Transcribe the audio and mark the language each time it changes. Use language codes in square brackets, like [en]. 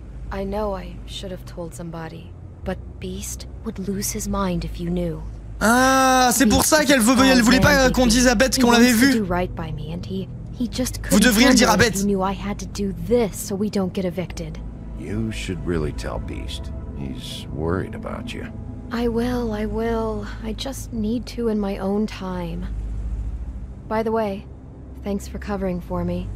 [en] I know I should have told somebody, but Beast would lose his mind if you knew. [fr] Ah, c'est pour ça qu'elle veut, elle voulait pas qu'on dise à Beth qu'on l'avait vu. [en] Right by me and he just couldn't. [fr] Vous devriez le dire à Beth. [en] He knew I had to do this so we don't get evicted. You should really tell Beast. He's worried about you. I will. I just need to in my own time. By the way, thanks for covering for me.